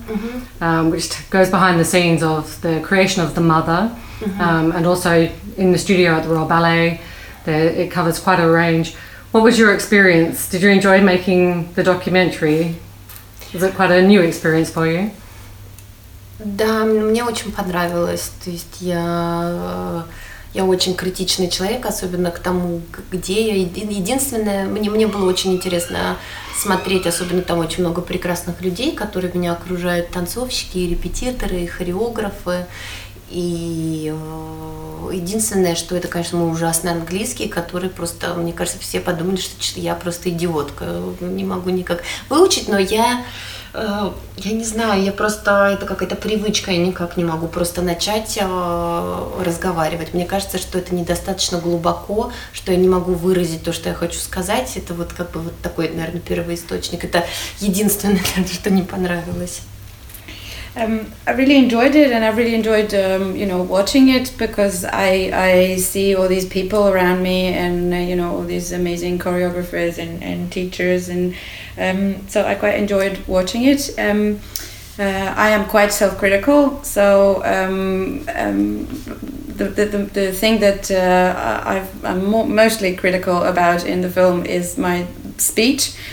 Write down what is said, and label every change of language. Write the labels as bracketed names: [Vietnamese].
[English] mm-hmm. Which goes behind the scenes of the creation of the mother. Mm-hmm. And also in the studio at the Royal Ballet, it covers quite a range. What was your experience? Did you enjoy making the documentary? Was it quite a new experience for you? [Russian] Да, мне очень понравилось. То есть я очень критичный человек, особенно к тому, где я. Единственное, мне было очень интересно смотреть, особенно там очень много прекрасных людей, которые меня окружают, танцовщики, и репетиторы, и хореографы. И единственное, что это, конечно, мой ужасный английский, который просто, мне кажется, все подумали, что я просто идиотка, не могу никак выучить, но я не знаю, я просто, это какая-то привычка, я никак не могу просто начать разговаривать. Мне кажется, что это недостаточно глубоко, что я не могу выразить то, что я хочу сказать. Это вот как бы вот такой, наверное, первоисточник. Это единственное, наверное, что не понравилось. [English] I really enjoyed it, and I really enjoyed, you know, watching it, because I see all these people around me, and you know, all these amazing choreographers and teachers, and so I quite enjoyed watching it. I am quite self-critical, so the thing that I'm mostly critical about in the film is my speech.